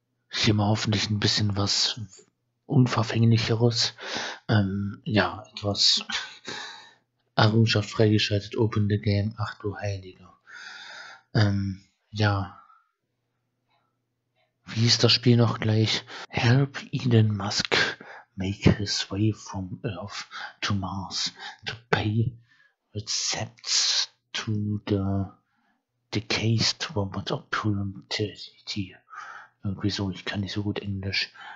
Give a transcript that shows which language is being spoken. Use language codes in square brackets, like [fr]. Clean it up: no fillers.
[de] hier mal hoffentlich ein bisschen was Unverfänglicheres. Ja, etwas Errungenschaft freigeschaltet, Open the Game, ach du Heiliger. Ja, wie ist das Spiel noch gleich? [en] Help Elon Musk make his way from Earth to Mars to pay receipts to the Decased Robot Opportunity. [de] Irgendwie so, ich kann nicht so gut Englisch.